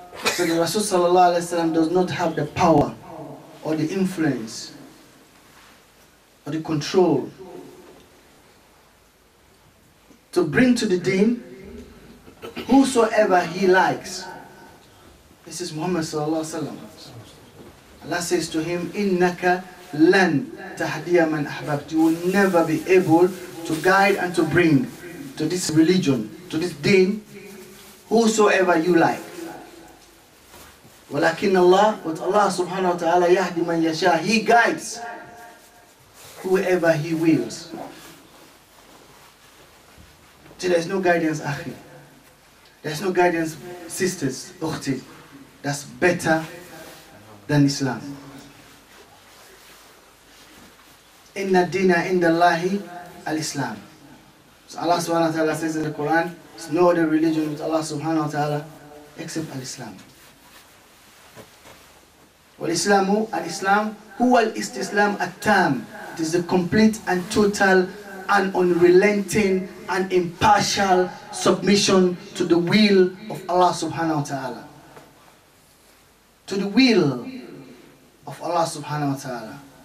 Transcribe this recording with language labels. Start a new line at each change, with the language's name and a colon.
English: So the Rasul sallallahu alayhi wa sallam does not have the power or the influence or the control to bring to the deen whosoever he likes. This is Muhammad sallallahu alayhi wa sallam. Allah says to him,
Arabic: إِنَّكَ لَن تَحْدِيَ مَنْ أَحْبَبْتَ.
English: You will never be able to guide and to bring to this religion, to this deen, whosoever you like.
Arabic: ولكن الله
English: but Allah subhanahu wa ta'ala
Arabic: يهدي من يشاء.
English: He guides whoever he wills. So there is no guidance, akhi. There is no guidance, sisters, ukhti. That's better than Islam.
Arabic: إن الدين عند الله الإسلام.
English: So Allah subhanahu wa ta'ala says in the Quran, there's no other religion with Allah subhanahu wa ta'ala except Al-Islam.
Arabic: والإسلام الإسلام هو الاستسلام التام.
English: It is the complete and total and unrelenting and impartial submission to the will of Allah subhanahu wa ta'ala. To the will of Allah subhanahu wa ta'ala.